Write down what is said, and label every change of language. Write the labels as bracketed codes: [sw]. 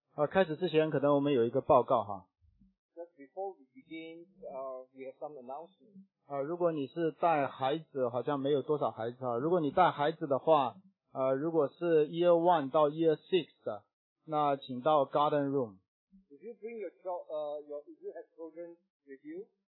[zh] 开始之前，可能我们有一个报告哈。 [en] Just before we begin, we have some announcement. [zh] 如果你是带孩子，好像没有多少孩子哈。如果你带孩子的话，如果是 Year One 到 Year Six 的，那请到 Garden Room. [en] If you bring your child, if you have children with you,